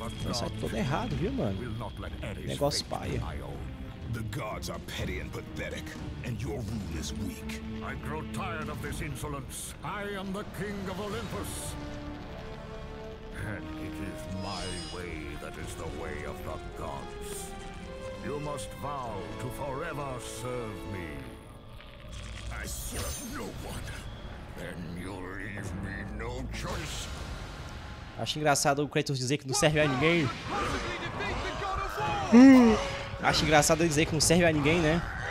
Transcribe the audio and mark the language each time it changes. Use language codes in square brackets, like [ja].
[pt] Isso é todo errado, viu, mano? Negócio paia. [en] The gods are petty and pathetic, and your rule is weak. I grow tired of this insolence. I am the king of Olympus. And it is my way that is the way of the gods. You must vow to forever serve me. I serve no one. Then you'll leave me no choice. [pt] Acho engraçado o Kratos dizer que não serve a ninguém. Acho engraçado dizer que não serve a ninguém, né?